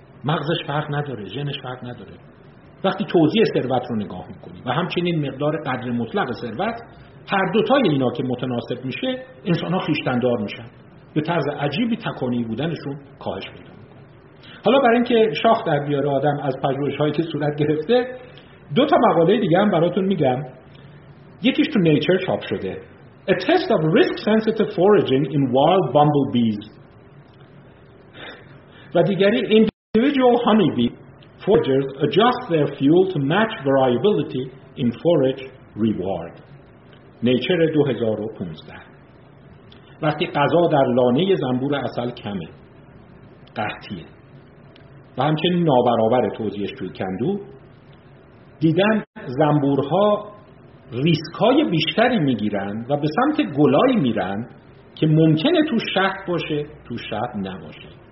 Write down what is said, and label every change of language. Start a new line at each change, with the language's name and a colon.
Persian: مغزش فرق نداره، ژنش فرق نداره. وقتی توزیع ثروت رو نگاه میکنی و همچنین مقدار قدر مطلق ثروت، هر دوتای اینا که متناسب میشه، انسان ها خویشتندار میشن، به طرز عجیبی تکانی بودنشون کاهش پیدا میکنه. حالا برای اینکه شاخ در بیاره آدم از پژوهش هایی که صورت گرفته، دو تا مقاله دیگه هم براتون میگم. یکیش تو نیچر چاپ شده،
English: A test of risk sensitive foraging in wild bumblebees،
Persian: و دیگری
English: Individual honeybee foragers adjust their fuel to match variability in forage reward، Nature 2015.
Persian: وقتی غذا در لانه زنبور عسل کمه، قحطیه و همچنین نابرابر توزیعش توی کندو، دیدن زنبورها ریسک‌های بیشتری میگیرن و به سمت گلایی میرن که ممکنه تو شهر باشه، تو شهر نباشه.